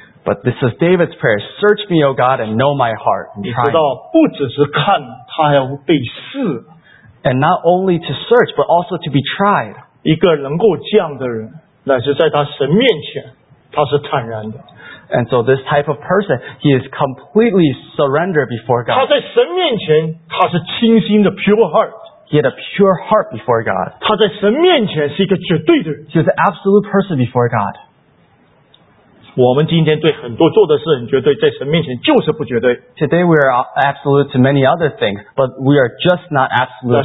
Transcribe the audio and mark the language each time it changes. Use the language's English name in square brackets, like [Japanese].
[English] But this is David's prayer, search me, O God, and know my heart. [Chinese] 你知道,不只是看,他要被试。 [English] And not only to search, but also to be tried. [Chinese] 一个能够这样的人,乃是在他神面前,他是坦然的。 [English] And so this type of person, he is completely surrendered before God. [Chinese] 他在神面前, 他是清新的, [English] pure heart. He had a pure heart before God. [Chinese] 他在神面前是一个绝对的人。 [English] He was an absolute person before God. [Chinese] 我们今天对很多做的事很绝对, [English] today we are absolute to many other things, but we are just not absolute